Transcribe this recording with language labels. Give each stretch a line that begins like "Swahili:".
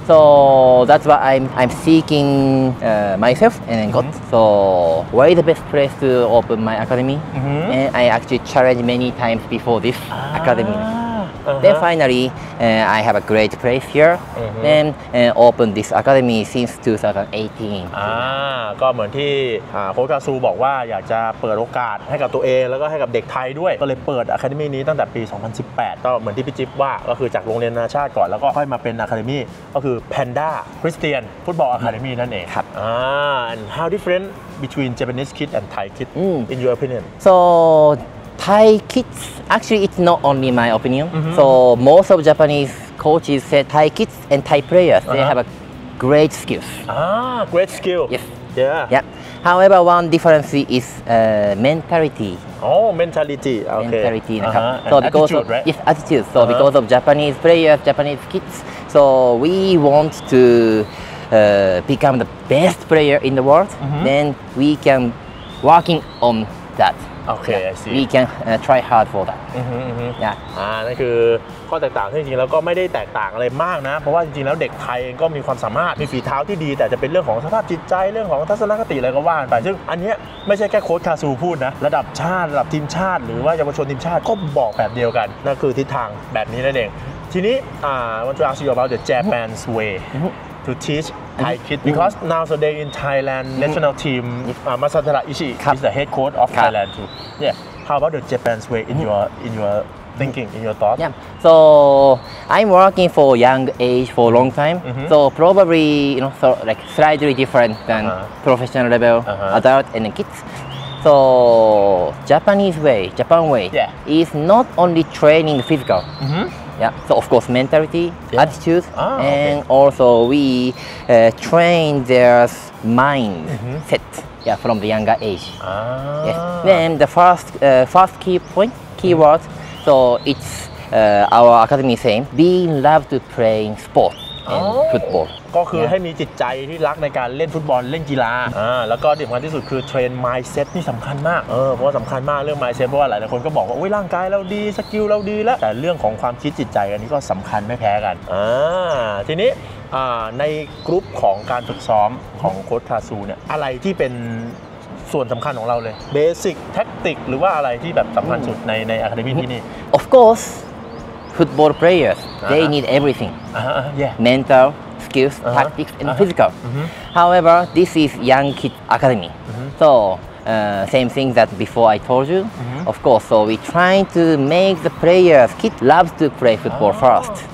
English: So that's why I'm seeking myself and then got. So where is the best place to open my academy? Mm-hmm. And I actually challenged many times before this academy. Uh-huh. Then finally, I have a great place here. Mm-hmm. Then opened this academy since 2018.
Thai: ก็เหมือนที่โค้ชกาซูบอกว่าอยากจะเปิดโอกาสให้กับตัวเองแล้วก็ให้กับเด็กไทยด้วยก็เลยเปิดอะคาเดมี่นี้ตั้งแต่ปี2018ก็เหมือนที่พี่จิ๊บว่าก็คือจากโรงเรียนนานาชาติก่อนแล้วก็ค่อยมาเป็นอะคาเดมี่ก็คือ Panda Christian Football Academy นั่นเอง ครับ
English: And how different between Japanese kids and Thai kids in your opinion? SoThai kids, actually it's not only my opinion. Mm-hmm. So most of Japanese coaches say Thai kids and Thai players, they have a great skills. Great skill. Yes. Yeah. Yeah. However, one difference is mentality. Oh, mentality. Okay. Mentality. Uh-huh. So because attitude, right? Yes, attitude. So because of Japanese players, Japanese kids, so we want to become the best player in the world, then we can working on that. Okay, yeah. I see. We can try hard for that.
Thai: นั่นคือข้อแตกต่างที่จริงแล้วก็ไม่ได้แตกต่างอะไรมากนะเพราะว่าจริงๆแล้วเด็กไทยเองก็มีความสามารถมีฝีเท้าที่ดีแต่จะเป็นเรื่องของสภาพจิตใจเรื่องของทัศนคติอะไรก็ว่ากันไปซึ่งอันนี้ไม่ใช่แค่โค้ชคาซูพูดนะระดับชาติระดับทีมชาติหรือว่าเยาวชนทีมชาติก็บอกแบบเดียวกันนั่นคือทิศทางแบบนี้นั่นเองทีนี้
English: I want to ask you about the Japan's way to teachThai kids, because nowadays in Thailand, national team, Masatara Ishii is the head coach of Thailand too. Yeah, how about the Japan's way in your thinking, in your thought? Yeah, so I'm working for young age for a long time. So probably, you know, so like slightly different than professional level, adult and kids. So Japanese way, Japan way is not only training physical. Yeah, so of course mentality, attitude, and also we train their mind set from the younger age. Then the first key point, keyword, so it's our academy same being love to playing sport and football
Thai: ก็คือให้มีจิตใจที่รักในการเล่นฟุตบอลเล่นกีฬาแล้วก็ที่สำคัญที่สุดคือเทรน mindset นี่สำคัญมากเพราะสำคัญมากเรื่อง mindset เพราะว่าหลายคนก็บอกว่าโอ้ยร่างกายเราดีสกิลเราดีแล้วแต่เรื่องของความคิดจิตใจอันนี้ก็สำคัญไม่แพ้กันทีนี้ในกรุ๊ปของการฝึกซ้อมของโค้ชทาซูเนี่ยอะไรที่เป็นส่วนสำคัญของเราเลยเบสิกแท็กติกหรือว่าอะไรที่แบบสำคัญสุดในAcademyที่นี่
English: Of course football players they need everything mentalSkills, tactics, and physical. However, this is young kid academy. So, same thing that before I told you. Of course, so we trying to make the players, kid loves to play football first.